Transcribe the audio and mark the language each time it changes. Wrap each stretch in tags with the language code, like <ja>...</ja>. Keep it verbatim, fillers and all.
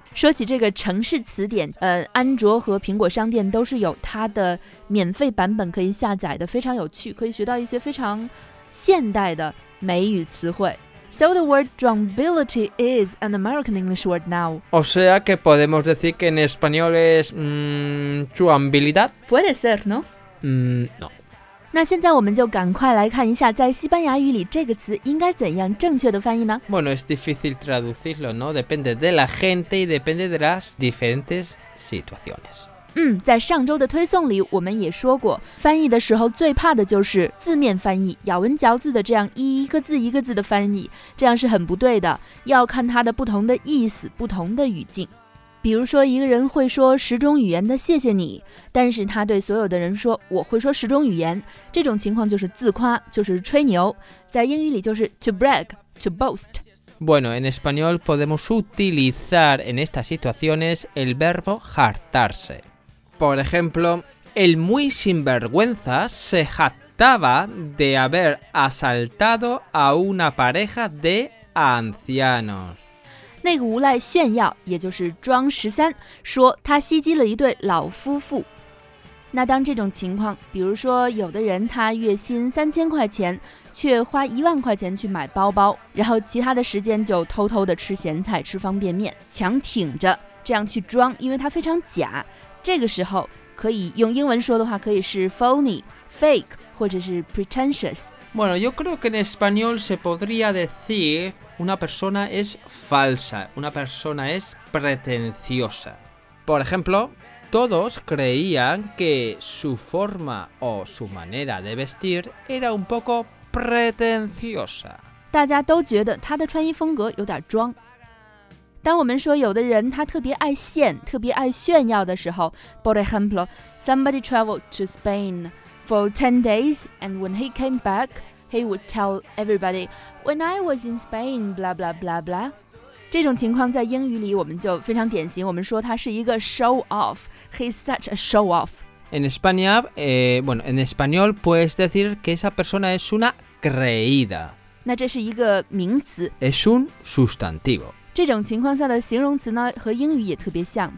<zh>说起这个城市词典，呃，安卓和苹果商店都是有它的免费版本可以下载的，非常有趣，可以学到一些非常现代的美语词汇。</zh> <en>So the word drunk-bility is an American English word now.</en> <es>O sea que podemos decir que en español es mmm, su habilidad. Puede ser, ¿no? Mm, no.</es> <zh>那现在我们就赶快来看一下，在西班牙语里这个词应该怎样正确的翻译呢？</zh> <es>Bueno, es difícil traducirlo, ¿no? Depende de la gente y depende de las diferentes situaciones.</es> <zh>嗯，在上周的推送里我们也说过，翻译的时候最怕的就是字面翻译，咬文嚼字的这样一个字一个字的翻译，这样是很不对的，要看它的不同的意思，不同的语境。比如说一个人会说十种语言的谢谢你，但是他对所有的人说我会说十种语言，这种情况就是自夸，就是吹牛，在英语里就是</zh> <en>to brag, to boast.</en> <es>Bueno, en español podemos utilizar en estas situaciones el verbo jactarse. Por ejemplo, el muy sinvergüenza se jactaba de haber asaltado a una pareja de ancianos.</es> <zh>那个无赖炫耀，也就是装十三，说他袭击了一对老夫妇。那当这种情况，比如说有的人他月薪三千块钱，却花一万块钱去买包包，然后其他的时间就偷偷的吃咸菜、吃方便面，强挺着这样去装，因为他非常假。这个时候可以用英文说的话，可以是 phony、fake 或者是 pretentious。</zh> <es>Bueno, yo creo que en español se podría decir. Una persona es falsa, una persona es pretenciosa. Por ejemplo, todos creían que su forma o su manera de vestir era un poco pretenciosa.</es> <zh>大家都觉得他的穿衣风格有点装。当我们说有的人他特别爱现，特别爱炫耀的时候</zh> <es>Por ejemplo,</es> <en>somebody traveled to Spain for ten days and when he came back,He would tell everybody, when I was in Spain, blah, blah, blah, blah.</en> <zh>这种情况在英语里我们就非常典型，我们说他是一个 show off.</zh> <en>He's such a show off.</en> <es>En España, eh, bueno, en español puedes decir que esa persona es una creída.</es> <zh>那这是一个名词。</zh> <es>Es un sustantivo.</es> <zh>这种情况下的形容词呢，和英语也特别像。</zh>